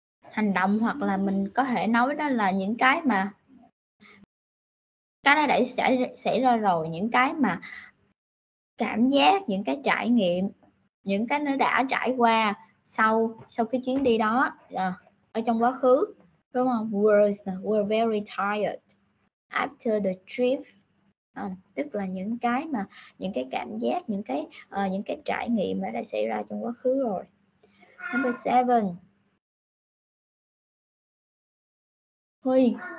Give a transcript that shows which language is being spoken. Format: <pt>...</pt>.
<vi>Hành động hoặc là mình có thể nói đó là những cái mà cái đó đã xảy ra rồi, những cái mà cảm giác, những cái trải nghiệm, những cái nó đã trải qua sau sau cái chuyến đi đó ở trong quá khứ, đúng không?</vi> <en>Were very tired after the trip.</en> <vi>Tức là những cái mà những cái cảm giác, những cái trải nghiệm mà đã xảy ra trong quá khứ rồi.</vi> <en>Number 7.</en> <vi>Huy.</vi>